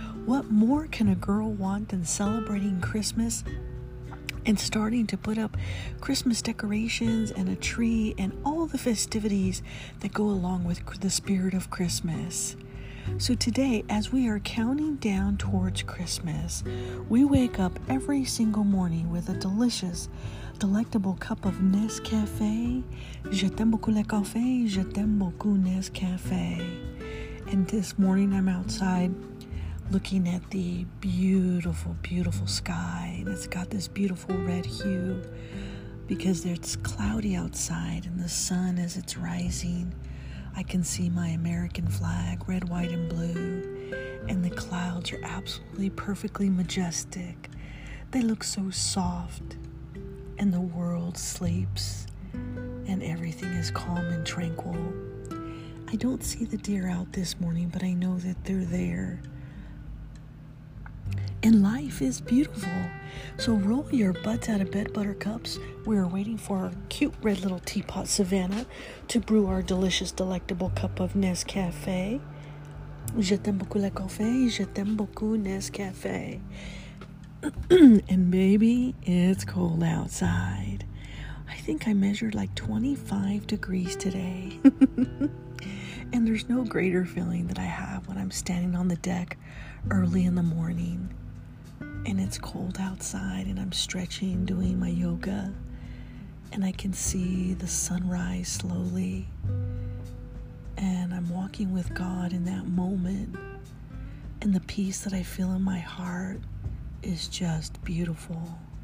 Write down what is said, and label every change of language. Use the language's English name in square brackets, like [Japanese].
[English] What more can a girl want than celebrating Christmas and starting to put up Christmas decorations and a tree and all the festivities that go along with the spirit of Christmas? So today, as we are counting down towards Christmas, we wake up every single morning with a delicious, delectable cup of Nescafé. [French] Je t'aime beaucoup le café, je t'aime beaucoup Nescafé. [English] And this morning I'm outside looking at the beautiful, beautiful sky, and it's got this beautiful red hue because it's cloudy outside and the sun, as it's rising, I can see my American flag, red, white, and blue, and the clouds are absolutely perfectly majestic. They look so soft, and the world sleeps, and everything is calm and tranquil. I don't see the deer out this morning, but I know that they're there. And life is beautiful. So roll your butts out of bed, buttercups. We are waiting for our cute red little teapot, Savannah, to brew our delicious, delectable cup of Nescafé. [French] Je t'aime beaucoup le café, je t'aime beaucoup Nescafé. [English] And maybe it's cold outside. I think I measured like 25 degrees today. And there's no greater feeling that I have when I'm standing on the deck early in the morning. And it's cold outside and I'm stretching, doing my yoga, and I can see the sunrise slowly, and I'm walking with God in that moment, and the peace that I feel in my heart is just beautiful.